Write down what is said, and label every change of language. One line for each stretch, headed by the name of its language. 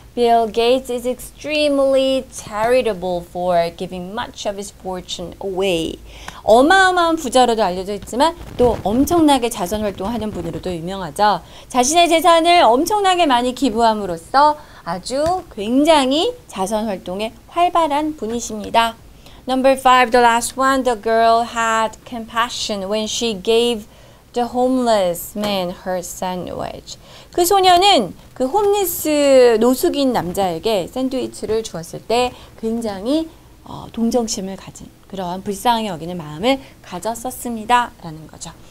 English: Bill Gates is extremely charitable for giving much of his fortune away.
Korean: 어마어마한 부자로도 알려져 있지만 또 엄청나게 자선 활동하는 분으로도 유명하죠. 자신의 재산을 엄청나게 많이 기부함으로써 아주 굉장히 자선 활동에 활발한 분이십니다.
English: Number five, the last one, the girl had compassion when she gave the homeless man her sandwich.
Korean: 그 소녀는 그 홈리스 노숙인 남자에게 샌드위치를 주었을 때 굉장히 동정심을 가진 그러한 불쌍히 여기는 마음을 가졌었습니다 라는 거죠.